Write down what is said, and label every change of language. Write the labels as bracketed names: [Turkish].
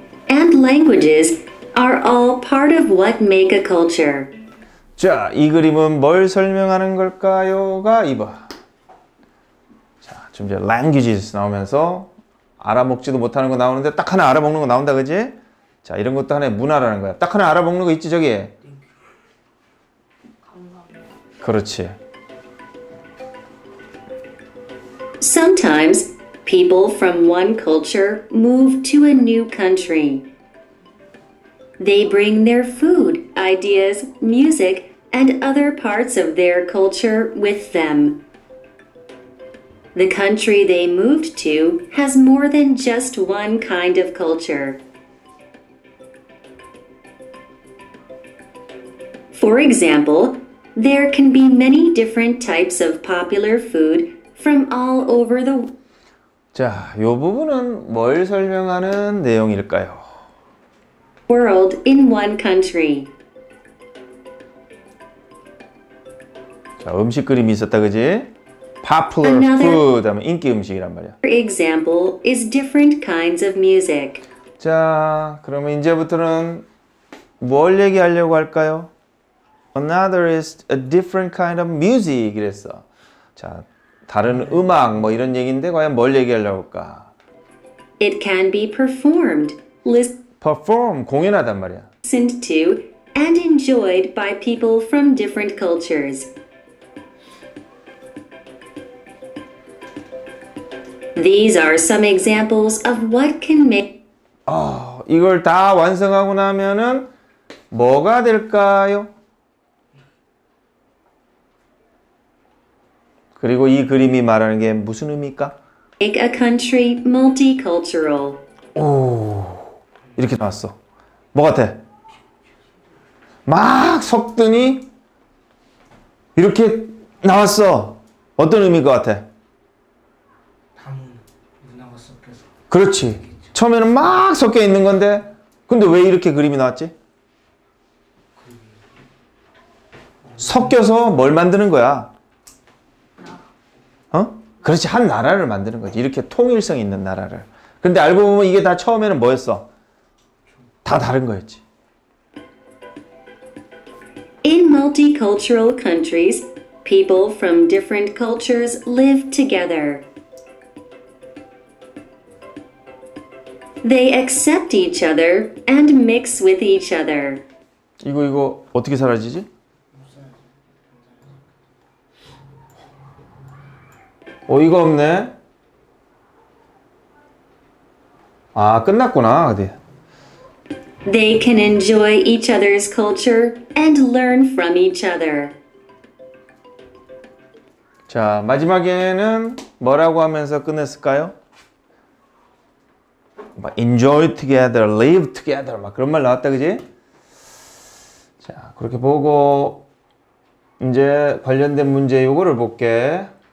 [English] And languages are all part of what make a culture. [Korean] 자, 이 그림은 뭘 설명하는 걸까요?가 2번. 자, 지금 이제 languages 나오면서 알아먹지도 못하는 거 나오는데 딱 하나 알아먹는 거 나온다, 그지? 자, 이런 것도 하나의 문화라는 거야. 딱 하나 알아먹는 거 있지, 저기? 그렇지. [English] Sometimes people from one culture move to a new country. They bring their food, ideas, music, and other parts of their culture with them. The country they moved to has more than just one kind of culture. For example, there can be many different types of popular food from all over the world. [Korean] 자, 요 부분은 뭘 설명하는 내용일까요? [English] World in one country. [Korean] 자, 음식 그림이 있었다, 그지? [English] Popular food, [Korean] 하면 인기 음식이란 말이야. [English] For example, is different kinds of music. [Korean] 자, 그러면 이제부터는 뭘 얘기하려고 할까요? [English] Another is a different kind of music, [Korean] 이랬어. 자, 다른 음악 뭐 이런 얘기인데 과연 뭘 얘기하려고 할까? [English] It can be performed. [Korean] Perform 공연하단 말이야. [English] Listened to and enjoyed by people from different cultures. These are some examples of what can make [Korean] 이걸 다 완성하고 나면은 뭐가 될까요? 그리고 이 그림이 말하는 게 무슨 의미일까? [English] Make a country multicultural. [Korean] 오, 이렇게 나왔어. 뭐 같아? 막 섞더니 이렇게 나왔어. 어떤 의미일 것 같아? 다문화가 섞여서. 그렇지. 처음에는 막 섞여 있는 건데 근데 왜 이렇게 그림이 나왔지? 섞여서 뭘 만드는 거야? 어? 그렇지, 한 나라를 만드는 거지. 이렇게 통일성 있는 나라를. 근데 알고 보면 이게 다 처음에는 뭐였어? 다 다른 거였지. [English] In multicultural countries, people from different cultures live together. They accept each other and mix with each other. [Korean] 이거 어떻게 사라지지? 어이가 없네. 아, 끝났구나. 어디? [English] They can enjoy each other's culture and learn from each other. [Korean] 자, 마지막에는 뭐라고 하면서 끝냈을까요? 막 [English] enjoy together, live together [Korean] 막 그런 말 나왔다, 그지? 자, 그렇게 보고 이제 관련된 문제 요거를 볼게.